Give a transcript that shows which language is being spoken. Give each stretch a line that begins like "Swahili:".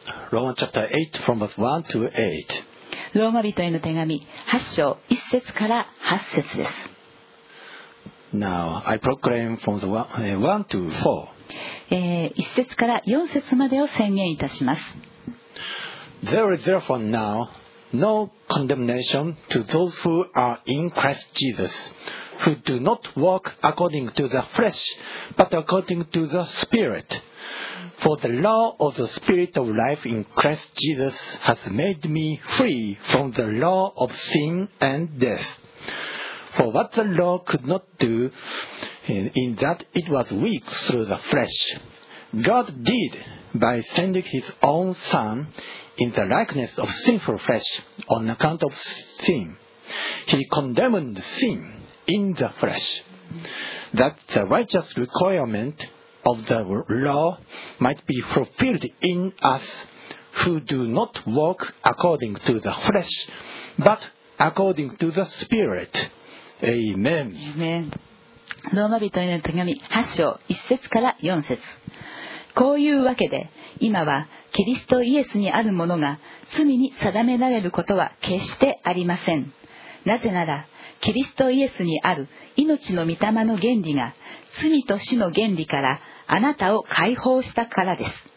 English: Roman chapter 8, from verse 1 to 8.
Japanese: ローマ人への手紙8章1節から8節です。
English: Now I proclaim from the 1 to 4.
Japanese: 1節から4節までを宣言いたします。
English: There is therefore nowNo condemnation to those who are in Christ Jesus, who do not walk according to the flesh, but according to the Spirit. For the law of the Spirit of life in Christ Jesus has made me free from the law of sin and death. For what the law could not do, in that it was weak through the flesh, God did. By sending his own son in the likeness of sinful flesh on account of sin, he condemned sin in the flesh, that the righteous requirement of the law might be fulfilled in us who do not walk according to the flesh, but according to the Spirit. Amen. Amen.
Japanese: ローマ人への手紙8章1節から4節。こういうわけで、今はキリストイエスにあるものが罪に定められることは決してありません。なぜなら、キリストイエスにある命の御霊の原理が罪と死の原理からあなたを解放したからです。